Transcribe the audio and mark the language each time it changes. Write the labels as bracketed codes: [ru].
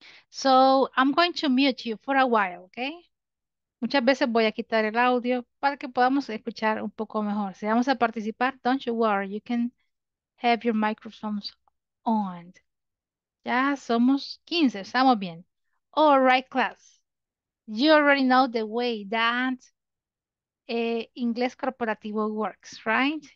[en] So I'm going to mute you for a while, okay? [es] Muchas veces voy a quitar el audio para que podamos escuchar un poco mejor. Si vamos a participar, [en] don't you worry, you can have your microphones on. [es] Ya somos 15, estamos bien. [en] All right, class. You already know the way that Inglés Corporativo works, right?